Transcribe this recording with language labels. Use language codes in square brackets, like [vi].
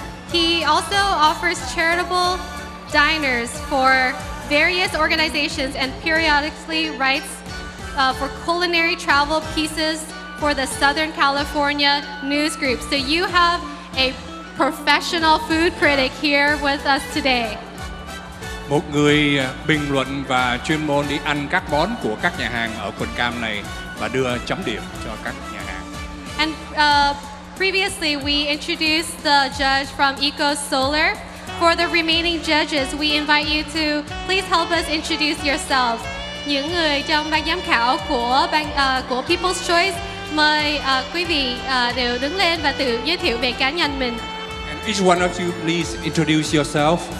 [en] He also offers charitable diners for various organizations and periodically writes for culinary travel pieces for the Southern California News Group. So you have a professional food critic here with us today. [vi] Một người bình luận và chuyên môn đi ăn các món của các nhà hàng ở quận Cam này và đưa chấm điểm cho các nhà hàng. [en] And previously we introduced the judge from Eco Solar. For the remaining judges, we invite you to please help us introduce yourselves. [vi] Những người trong ban giám khảo của People's Choice, mời quý vị đều đứng lên và tự giới thiệu về cá nhân mình. [en] Each one of you, please introduce yourself.